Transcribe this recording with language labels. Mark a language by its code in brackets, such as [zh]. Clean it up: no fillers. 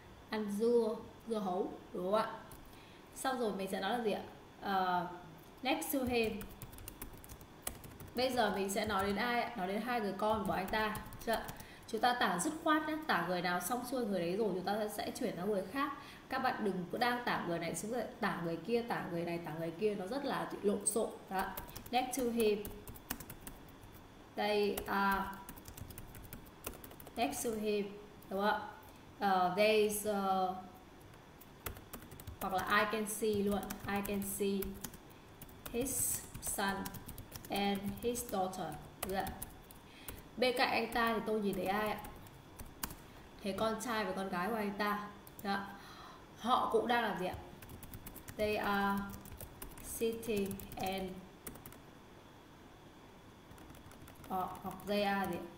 [vi] Ăn dưa, dưa hấu, đúng không ạ? Sau rồi mình sẽ nói là gì ạ? [en] Next to him. [vi] Bây giờ mình sẽ nói đến ai ạ? Nói đến hai người con của anh ta. chúng ta tả dứt khoát nhé, tả người nào xong xuôi người đấy rồi chúng ta sẽ chuyển sang người khác. Các bạn đừng cứ đang tả người này xuống rồi tả người kia, tả người này tả người kia, nó rất là lộn xộn đó. [en] Next to him, they are next to him, [vi] đúng không? [en] There's [vi] hoặc là [en] I can see luôn, I can see his son and his daughter. Yeah. [vi] Bên cạnh anh ta thì tôi nhìn thấy ai ạ? Thấy con trai và con gái của anh ta. [en] Yeah. [vi] Họ cũng đang làm gì ạ? [en] They are sitting and [vi] hoặc [en] they are [vi] gì?